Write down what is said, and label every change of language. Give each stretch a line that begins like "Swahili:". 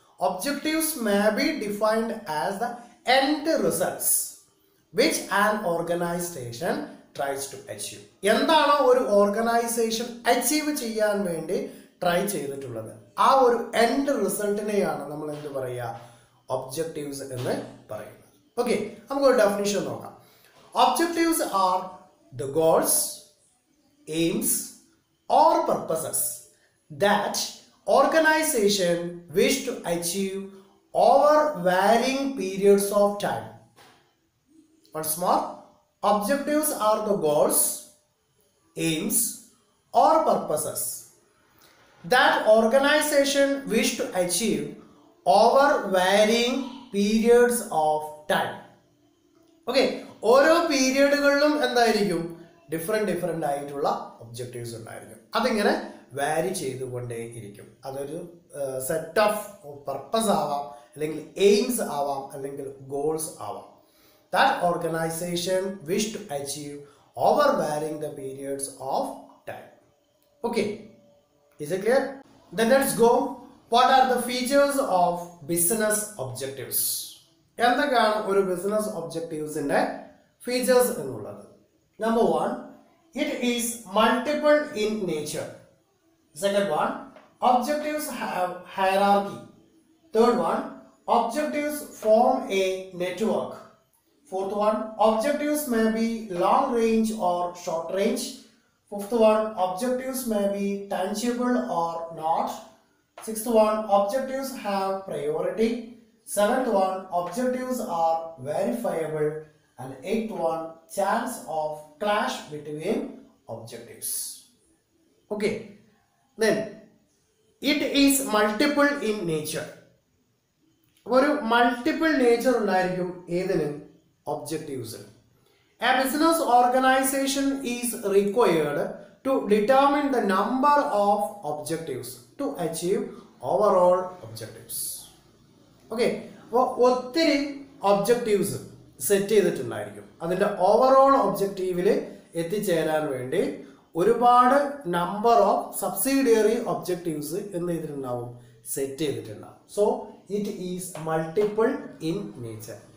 English: Objectives may be defined as the end results which an organization tries to achieve.
Malayalam: എന്താണോ ഒരു organisation achieve ചെയ്യാൻ വേണ്ടി try ചെയ്തിട്ടുള്ളത്, ആ ഒരു എൻഡ് റിസൾട്ടിനെയാണ് നമ്മൾ എന്ത് പറയുക, ഒബ്ജക്റ്റീവ്സ് എന്ന് പറയുന്നത്. ഓക്കെ, നമുക്കൊരു ഡെഫിനിഷൻ നോക്കാം.
English: Objectives are the goals, aims, or purposes that organization wish to achieve over varying periods of time. Once more, objectives are the goals, aims, or purposes that organization wish to achieve over varying periods of time.
Malayalam: Okay, ഓരോ പീരീഡുകളിലും എന്തായിരിക്കും different different ആയിട്ടുള്ള objectives ഉണ്ടായിരിക്കും. അതിങ്ങനെ വാരി ചെയ്തുകൊണ്ടേ ഇരിക്കും. അതൊരു set of purpose ആവാം, അല്ലെങ്കിൽ എയിംസ് ആവാം, അല്ലെങ്കിൽ ഗോൾസ് ആവാം.
English: That organization wish to achieve over varying the periods of time. Okay, is it clear? Then let's go. What are the features of business objectives?
Malayalam: എന്തൊക്കെയാണ് ഒരു ബിസിനസ് ഒബ്ജക്റ്റീവ്സിന്റെ ഫീച്ചേഴ്സ് എന്നുള്ളത്?
English: Number one, it is multiple in nature. Second one, objectives have hierarchy. Third one, objectives form a network. Fourth one, objectives may be long range or short range. Fifth one, objectives may be tangible or not. Sixth one, objectives have priority. Seventh one, objectives are verifiable. And eighth one, chance of clash between objectives. Okay, then it is multiple in nature.
Malayalam: ഒരു multiple nature ഉണ്ടായിരിക്കും ഏതിനും objectives.
English: A business organization is required to determine the number of objectives to achieve overall objectives. Okay.
Malayalam: ഒത്തിരി objectives set ചെയ്തിട്ടുണ്ടായിരിക്കും. അതിൻ്റെ overall ഒബ്ജക്റ്റീവിൽ എത്തിച്ചേരാൻ വേണ്ടി ഒരുപാട് number of subsidiary objectives എന്ത് ചെയ്തിട്ടുണ്ടാവും, സെറ്റ് ചെയ്തിട്ടുണ്ടാവും.
English: So it is multiple in nature.